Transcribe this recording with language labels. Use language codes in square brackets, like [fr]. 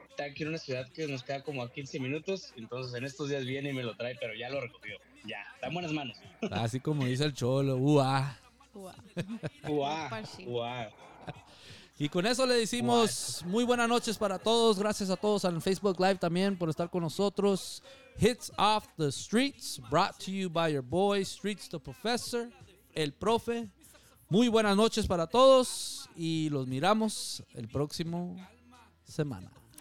[es] está aquí en una ciudad que nos queda como a 15 minutos, entonces en estos días viene y me lo trae, pero ya lo recogió. Ya, está en buenas manos. Así como dice el cholo, ¡uá! ¡Uá! ¡Uá! Y con eso le decimos muy buenas noches para todos. Gracias a todos en Facebook Live también por estar con nosotros. [en] Hits Off the Streets, brought to you by your boy, Streets the Professor, [es] el profe. Muy buenas noches para todos y los miramos el próximo semana.